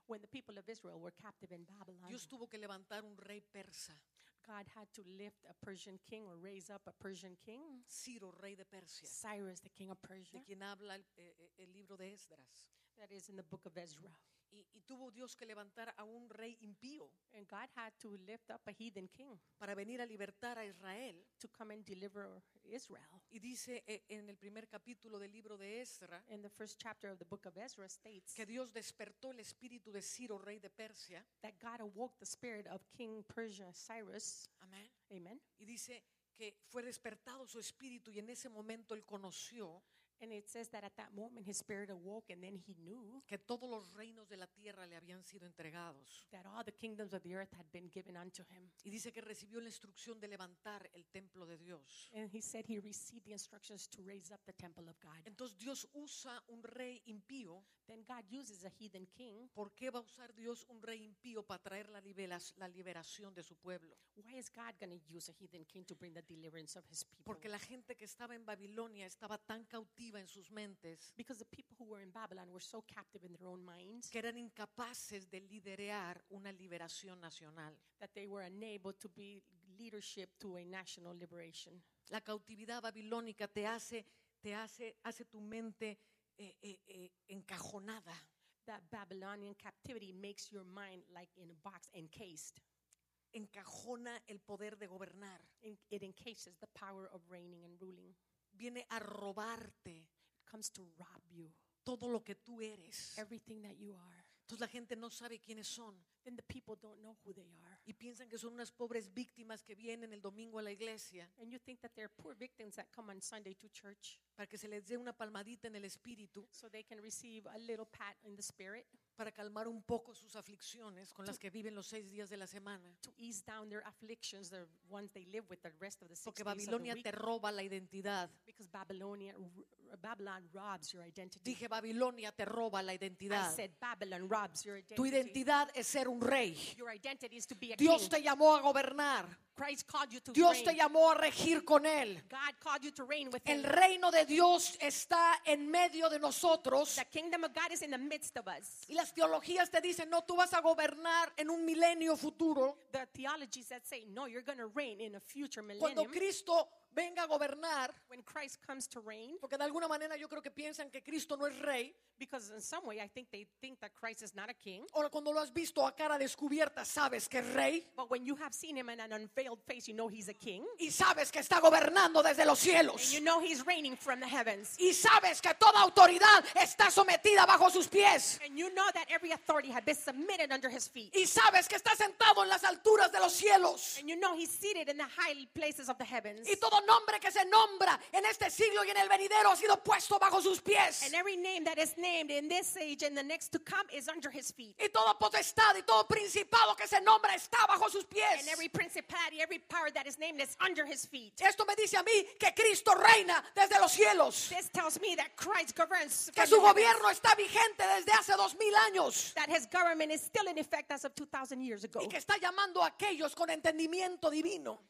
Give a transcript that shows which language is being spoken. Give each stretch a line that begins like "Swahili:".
English: when the people of Israel were captive in Babylon,
Spanish: Dios tuvo que levantar un rey persa.
English: God had to lift a Persian king or raise up a Persian king.
Spanish: Ciro, rey de Persia.
English: Cyrus, the king of Persia.
Spanish: De quien habla el libro de Esdras.
English: That is in the book of Ezra.
Spanish: Y tuvo Dios que levantar a un rey impío.
English: And God had to lift up a heathen king.
Spanish: Para venir a libertar a Israel.
English: To come and deliver Israel.
Spanish: Y dice en el primer capítulo del libro de Ezra.
English: In the first chapter of the book of Ezra states.
Spanish: Que Dios despertó el espíritu de Ciro, rey de Persia.
English: That God awoke the spirit of King Persia, Cyrus.
Spanish: Amen.
English: Amen.
Spanish: Y dice que fue despertado su espíritu y en ese momento él conoció.
English: And it says that at that moment his spirit awoke and then he knew
Spanish: que todos los reinos de la tierra le habían sido entregados.
English: That all the kingdoms of the earth had been given unto him.
Spanish: Y dice que recibió la instrucción de levantar el templo de Dios.
English: And he said he received the instructions to raise up the temple of God.
Spanish: Entonces Dios usa un rey impío.
English: Then God uses a heathen king.
Spanish: ¿Por qué va a usar Dios un rey impío para traer la liberación de su pueblo?
English: Why is God going to use a heathen king to bring the deliverance of his people?
Spanish: Porque la gente que estaba en Babilonia estaba tan cautiva en sus mentes,
English: because the people who were in Babylon were so captive in their own minds,
Spanish: que eran incapaces de liderar una liberación nacional,
English: that they were unable to be leadership to a national liberation.
Spanish: La cautividad babilónica te hace tu mente encajonada.
English: That Babylonian captivity makes your mind like in a box, encased.
Spanish: Encajona el poder de gobernar.
English: It encases the power of reigning and ruling.
Spanish: Viene a robarte.
English: It comes to rob you.
Spanish: Todo lo que tú eres.
English: Everything that you are.
Spanish: Entonces la gente no sabe quiénes son.
English: Then the people don't know who they are.
Spanish: Y piensan que son unas pobres víctimas que vienen el domingo a la iglesia.
English: And you think that they're poor victims that come on Sunday to church.
Spanish: Para que se les dé una palmadita en el espíritu.
English: So they can receive a little pat in the spirit.
Spanish: Para calmar un poco sus aflicciones con las que viven los seis días de la semana.
English: To ease down their afflictions, the ones they live with the rest of the six
Spanish: Porque Babilonia
English: days of the week.
Spanish: Te roba la identidad.
English: Because Babylon robs your identity.
Spanish: Dije Babilonia te roba la identidad.
English: I said Babylon robs your identity.
Spanish: Tu identidad es ser un rey.
English: Your identity is to be a
Spanish: Dios
English: king.
Spanish: Te llamó a gobernar.
English: Christ called you to
Spanish: Dios
English: reign.
Spanish: Te llamó a regir con Él.
English: God called you to reign with
Spanish: El
English: him.
Spanish: Reino de Dios está en medio de nosotros.
English: The kingdom of God is in the midst of us.
Spanish: Y las teologías te dicen, no, tú vas a gobernar en un milenio futuro.
English: The theologies that say, no, you're going to reign in a future millennium.
Spanish: Cuando Cristo venga a gobernar,
English: when Christ comes to reign,
Spanish: porque de alguna manera yo creo que piensan que Cristo no es rey,
English: because in some way I think they think that Christ is not a king.
Spanish: Ahora cuando lo has visto a cara descubierta sabes que es rey.
English: But when you have seen him in an unveiled face, you know he's a king.
Spanish: Y sabes que está gobernando desde los cielos.
English: And you know he's reigning from the heavens.
Spanish: Y sabes que toda autoridad está sometida bajo sus pies.
English: And you know that every authority has been submitted under his feet.
Spanish: Y sabes que está sentado en las alturas de los cielos.
English: And you know he's seated in the high places of the heavens.
Spanish: Y todo nombre que se nombra en este siglo y en el venidero ha sido puesto bajo sus pies.
English: And every name that is named in this age and the next to come is under his feet.
Spanish: Y toda potestad y todo principado que se nombra está bajo sus pies.
English: And every principality, every power that is named is under his feet.
Spanish: Esto me dice a mí que Cristo reina desde los cielos.
English: This tells me that Christ governs.
Spanish: Que su gobierno está vigente desde hace 2,000 años.
English: That his government is still in effect as of 2,000 years ago.
Spanish: Y que está llamando a aquellos con entendimiento divino.